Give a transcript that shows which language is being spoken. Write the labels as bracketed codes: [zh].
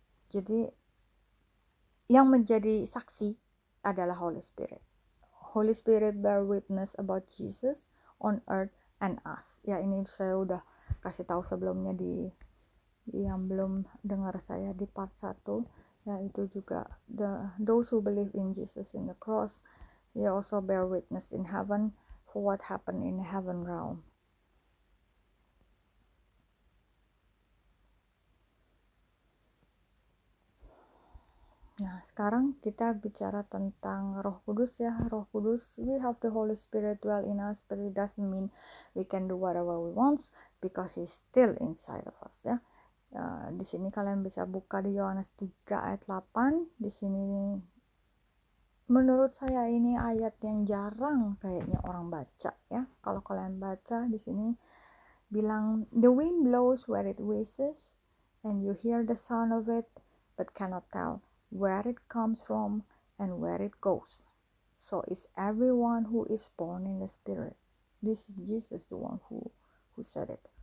[id] Jadi yang menjadi saksi adalah Holy Spirit. [en] Holy Spirit bear witness about Jesus on earth and us. [id] Ya, ini saya udah kasih tahu sebelumnya di yang belum dengar saya di part 1, yaitu juga [en] those who believe in Jesus in the cross, he also bear witness in heaven for what happened in heaven realm. [id] Nah, sekarang kita bicara tentang Roh Kudus ya. [en] Roh Kudus, we have the Holy Spirit dwell in us, but it doesn't mean we can do whatever we want because he's still inside of us ya. [id] Di sini kalian bisa buka di Yohanes 3 ayat 8. Di sini menurut saya ini ayat yang jarang kayaknya orang baca ya. Kalau kalian baca di sini bilang [en] the wind blows where it wishes and you hear the sound of it but cannot tell where it comes from and where it goes. So is everyone who is born in the spirit. This is Jesus, the one who said it.